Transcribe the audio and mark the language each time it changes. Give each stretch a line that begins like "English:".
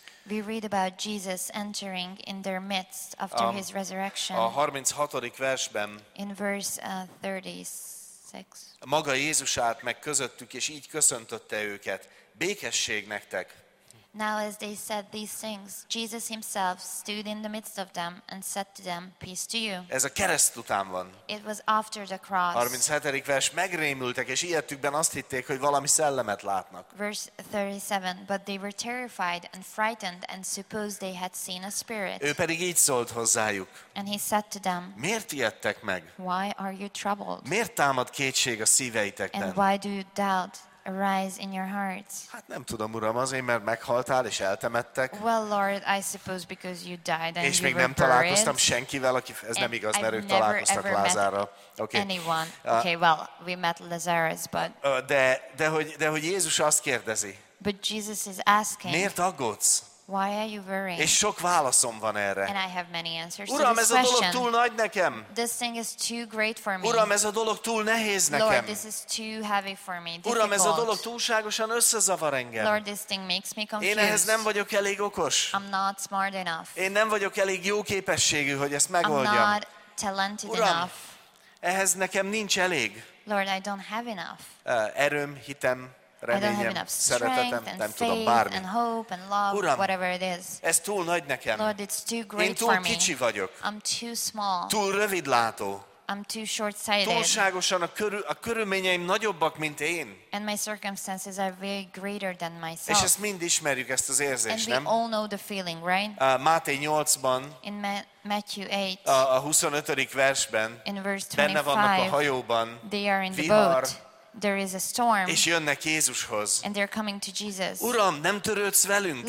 English: We read about Jesus entering in their midst after his resurrection.
Hungarian: A 36. versben.
English: In verse 36.
Hungarian: Maga Jézus állt meg közöttük, és így köszöntötte őket. Békesség nektek.
English: Now as they said these things, Jesus himself stood in the midst of them and said to them, peace to you.
Hungarian: Ez a kereszt után van.
English: It was after the cross.
Hungarian: 37. vers, megrémültek, és ijedtükben azt hitték, hogy valami szellemet látnak.
English: Verse 37, but they were terrified and frightened and supposed they had seen a spirit.
Hungarian: Ő pedig így szólt hozzájuk.
English: And he said to them,
Hungarian: miért ijedtek meg?
English: Why are you troubled?
Hungarian: Miért támad kétség a szíveitekben?
English: And why do you doubt? Arise in your hearts.
Hungarian: Hát nem tudom, uram, azért, mert meghaltál és eltemettek.
English: Well, Lord, I suppose because you died and
Hungarian: és még nem találkoztam senkivel, aki ez nem igaz, mert ők találkoztak Lázárral.
English: Okay. Anyone? Okay, well, we met Lazarus, but.
Hungarian: De hogy Jézus azt kérdezi.
English: But Jesus is asking.
Hungarian: Miért aggódsz?
English: Why are you worrying?
Hungarian: És sok válaszom van erre.
English: And I have many answers.
Hungarian: Uram,
English: to this question.
Hungarian: Ez a dolog túl nagy nekem.
English: This thing is too great for me.
Hungarian: Uram, ez a dolog túl nehéz nekem.
English: Lord, this is too heavy for me. Difficult.
Hungarian: Uram, ez a dolog túlságosan összezavar engem.
English: Lord, this thing makes me confused.
Hungarian: Én ehhez nem vagyok elég okos.
English: I'm not smart enough.
Hungarian: Én nem vagyok elég jó képességű, hogy ezt megoldjam.
English: I'm not talented
Hungarian: Uram,
English: enough.
Hungarian: Ehhez nekem nincs elég.
English: Lord, I don't have enough.
Hungarian: Erőm, hitem. Reményem, szeretetem, nem
English: faith,
Hungarian: tudom, bármi.
English: And hope, and love,
Hungarian: Uram,
English: whatever it is.
Hungarian: Ez túl nagy nekem.
English: Lord, it's too great
Hungarian: Én túl
English: for
Hungarian: kicsi
English: me.
Hungarian: Vagyok.
English: I'm too small.
Hungarian: Túl rövidlátó.
English: I'm too short-sighted.
Hungarian: Túlságosan a körülményeim nagyobbak, mint én.
English: And my circumstances are way greater than myself.
Hungarian: És ezt mind ismerjük, ezt az érzést,
English: and
Hungarian: nem?
English: And we all know the feeling, right?
Hungarian: Máté 8-ban,
English: in Matthew 8,
Hungarian: a 25. versben,
English: in verse 25,
Hungarian: benne vannak a hajóban,
English: they are in
Hungarian: vihar,
English: the boat. There is a storm.
Hungarian: És jönnek Jézushoz.
English: And they're coming to Jesus.
Hungarian: Uram, nem törődsz velünk,